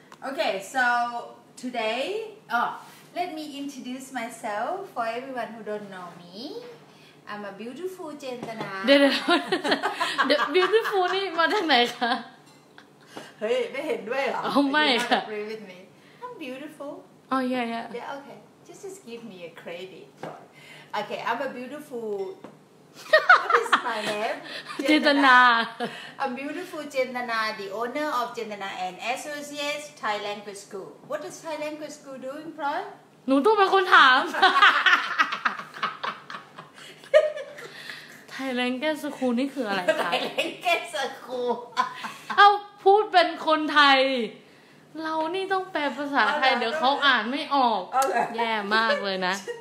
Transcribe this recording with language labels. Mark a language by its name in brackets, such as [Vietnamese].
[English] Okay, so today, Let me introduce myself for everyone who don't know me. I'm a beautiful Chentana. [Thai] เดี๋ยว beautiful นี่มาจากไหนคะ เฮ้ยไม่เห็นด้วยเหรอ ไม่ค่ะ [English] agree with me. I'm beautiful. Oh yeah yeah. Yeah okay. Just give me a credit. Okay, I'm a beautiful. What is my name? Chentana. I'm beautiful Chentana, the owner of Chentana and Associates Thai Language School. What does Thai Language School doing, Ploy? [Thai] หนูต้องเป็นคนถาม Thai Language School นี่คืออะไรคะ [English] Thai Language School [Thai] เอ้าพูดเป็นคนไทยเรานี่ต้องแปลภาษาไทยเดี๋ยวเขาอ่านไม่ออกแย่มากเลยนะ